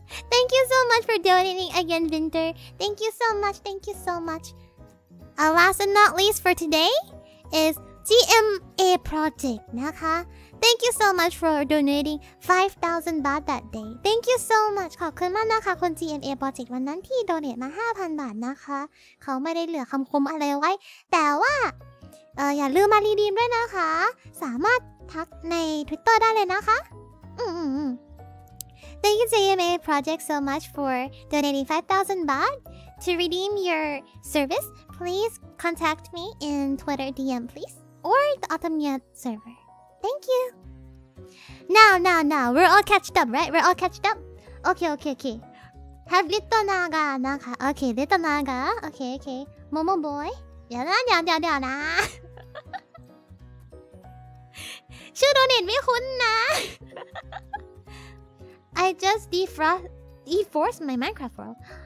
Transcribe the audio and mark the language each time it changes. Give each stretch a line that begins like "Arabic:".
English: Thank you so much for donating again, Vinter. Thank you so much. Last and not least for today is GMA Project, นะคะ Thank you so much for donating 5,000 baht that day. Thank you so much.
Thai: ขอบคุณมากนะคะคน GMA Project วันนั้นที่ donate มา 5,000 บาทนะคะเขาไม่ได้เหลือคำคมอะไรไว้แต่ว่าอย่าลืมมารีดีมด้วยนะคะสามารถทักใน Twitter ได้เลยนะคะ
English: Thank you JMA Project so much for donating 5,000 baht To redeem your service Please contact me in Twitter DM please Or the Autumnia server Thank you Now We're all catched up right? Okay Have little naga naka Okay little naga Okay Momo boy
Thai: เดี๋ยวนะ ชื่อโดเนตไม่คุ้นนะ
English: I just deforced my Minecraft world.